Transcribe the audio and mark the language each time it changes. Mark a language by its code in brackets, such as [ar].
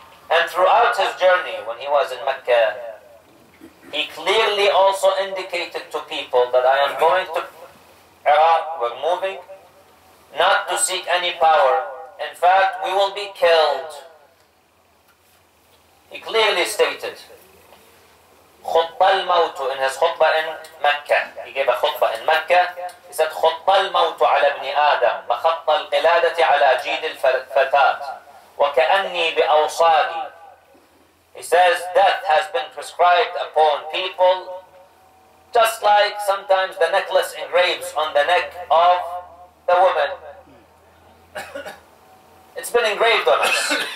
[en] And throughout his journey when he was in Mecca, he clearly also indicated to people that I am going to Iraq, we're moving, not to seek any power. In fact, we will be killed. He clearly stated, [ar] خُطَّ الْمَوْتُ, [en] in his khutbah in Mecca. He gave a khutbah in Mecca. [ar] He said, خُطَّ الْمَوْتُ عَلَى ابْنِ آدَمَ مَخَطَّ الْقِلَادَةِ عَلَى جِيدِ الْفَتَاةِ وَكَأَنِّي بِأَوْصَالِ. [en] He says, death has been prescribed upon people just like sometimes the necklace engraves on the neck of the woman. It's been engraved on us.